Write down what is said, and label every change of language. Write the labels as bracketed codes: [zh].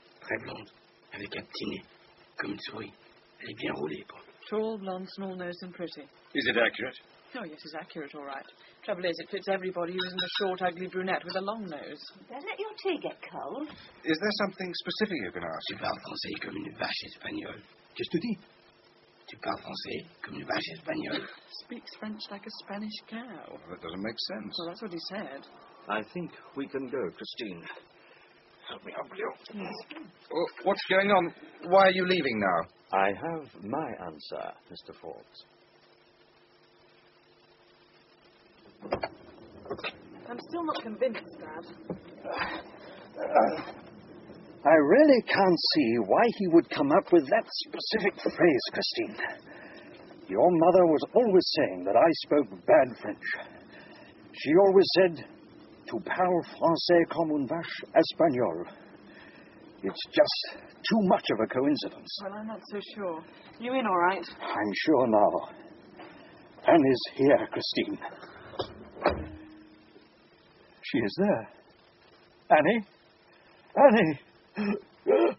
[fr] Très blonde, avec un petit nez, comme une souris. Elle est bien roulée, Paul. [en] Tall, blonde, small nose and pretty. Is it accurate? Oh, yes, it's accurate, all right. Trouble is, it fits everybody who isn't a short, ugly brunette with a long nose. Don't let your tea get cold. Is there something specific you can ask? [fr] Tu parles français comme une vache espagnole. Qu'est-ce que tu dis? Tu parles français comme une vache espagnole. [en] Speaks French like a Spanish cow. Well, that doesn't make sense. Well, that's what he said. I think we can go, Christine. Help me up, will you? What's going on? Why are you leaving now? I have my answer, Mr. Fawkes. I'm still not convinced, Dad. I really can't see why he would come up with that specific phrase, Christine. Your mother was always saying that I spoke bad French. She always said, [fr] "Tu parles français comme une vache espagnole." [en] It's just too much of a coincidence. Well, I'm not so sure. You in all right? I'm sure now. Annie's here, Christine. She is there. Annie? Annie!